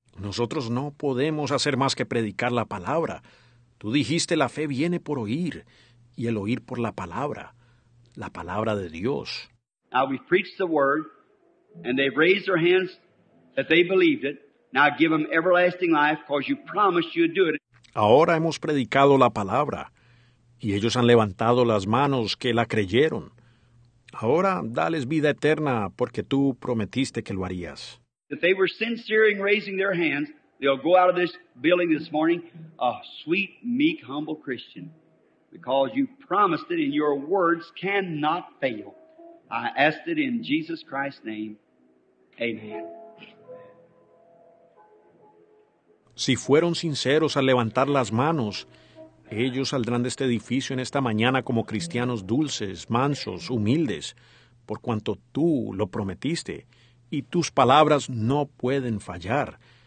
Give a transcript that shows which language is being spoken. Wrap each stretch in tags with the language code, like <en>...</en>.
<es>Nosotros no podemos hacer más que predicar la palabra. Tú dijiste la fe viene por oír, y el oír por la palabra de Dios.</es> <en>Now we've preached the word. And they've raised their hands that they believed it. Now give them everlasting life because you promised you'd do it.</en> <es>Ahora hemos predicado la palabra y ellos han levantado las manos que la creyeron. Ahora dales vida eterna porque tú prometiste que lo harías.</es> <en>If they were sincere in raising their hands, they'll go out of this building this morning a sweet, meek, humble Christian because you promised it and your words cannot fail. I asked it in Jesus Christ's name. Amen.</en> <es>Si fueron sinceros al levantar las manos, ellos saldrán de este edificio en esta mañana como cristianos dulces, mansos, humildes, por cuanto tú lo prometiste, y tus palabras no pueden fallar.</es>